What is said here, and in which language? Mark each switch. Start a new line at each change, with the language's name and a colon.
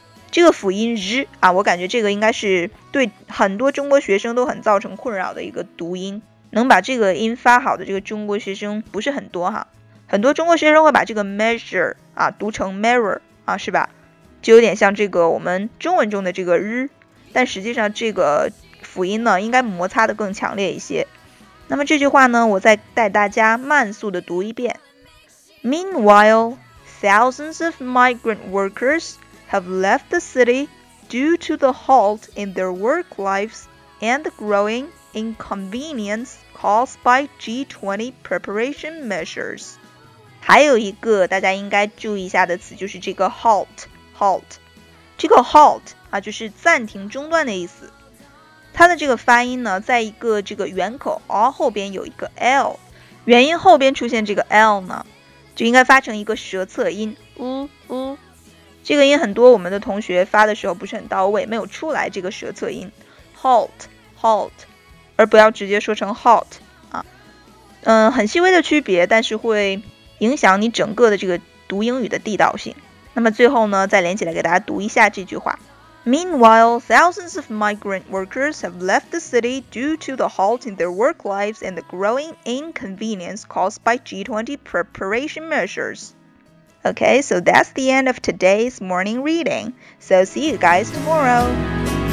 Chinese: 这个辅音 z 啊，我感觉这个应该是对很多中国学生都很造成困扰的一个读音，能把这个音发好的这个中国学生不是很多哈，很多中国学生会把这个 measure 啊读成 mirror 啊，是吧，就有点像这个我们中文中的这个 r， 但实际上这个辅音呢应该摩擦的更强烈一些。那么这句话呢，我再带大家慢速的读一遍。
English: Meanwhile, thousands of migrant workers have left the city due to the halt in their work lives and the growing inconvenience caused by G20 preparation measures.
Chinese: 还有一个大家应该注意一下的词，就是这个 halt。这个 halt 啊，就是暂停、中断的意思。它的这个发音呢，在一个这个圆口 R 后边有一个 L， 元音后边出现这个 L 呢，就应该发成一个舌侧音 u。这个音很多我们的同学发的时候不是很到位，没有出来这个舌侧音 halt， 而不要直接说成 halt 啊。很细微的区别，但是会影响你整个的这个读英语的地道性。那么最后呢，再连起来给大家读一下这句话。
English: Meanwhile, thousands of migrant workers have left the city due to the halt in their work lives and the growing inconvenience caused by G20 preparation measures. Okay, so that's the end of today's morning reading. So see you guys tomorrow!